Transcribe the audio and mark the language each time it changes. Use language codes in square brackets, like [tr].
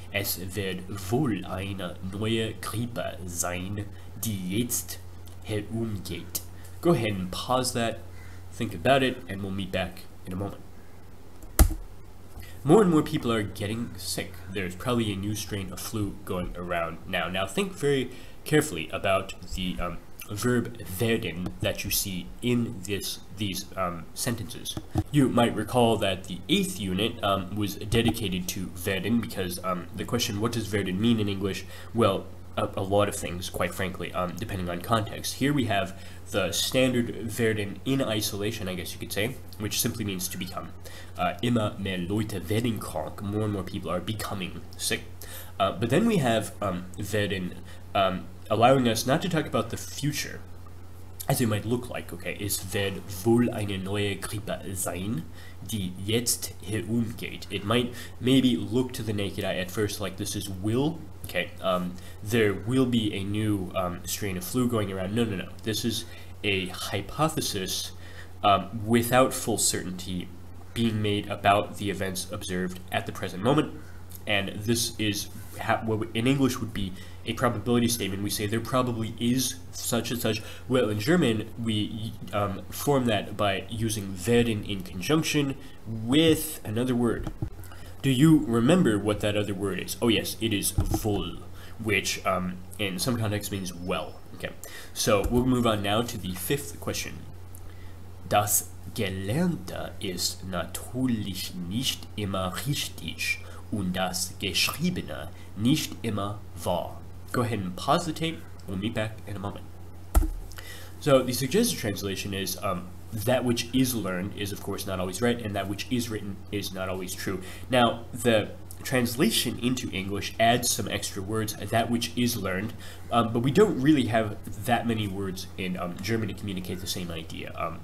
[de] Es wird wohl eine neue Grippe sein, die jetzt herumgeht. [en] Go ahead and pause that, think about it, and we'll meet back in a moment. More and more people are getting sick. There's probably a new strain of flu going around now. Now think very carefully about the verb werden that you see in these sentences. You might recall that the eighth unit was dedicated to werden because the question, what does werden mean in English? Well, a lot of things, quite frankly, depending on context. Here we have the standard werden in isolation, I guess you could say, which simply means to become. [de] Immer mehr Leute werden krank, [en] more and more people are becoming sick. But then we have werden allowing us not to talk about the future, as it might look like, okay? [de] Es wird wohl eine neue Grippe sein, die jetzt herumgeht. [en] It might maybe look to the naked eye at first like this is will. Okay, there will be a new strain of flu going around. No, no, no. This is a hypothesis without full certainty being made about the events observed at the present moment. And this is what in English would be a probability statement. We say there probably is such and such. Well, in German, we form that by using werden in conjunction with another word. Do you remember what that other word is? Oh yes, it is wohl, which in some context means well. Okay, so we'll move on now to the fifth question. [de] Das Gelernte ist natürlich nicht immer richtig und das Geschriebene nicht immer wahr. [en] Go ahead and pause the tape. We'll meet back in a moment. So the suggested translation is, that which is learned is, of course, not always right, and that which is written is not always true. Now, the translation into English adds some extra words, that which is learned, but we don't really have that many words in German to communicate the same idea.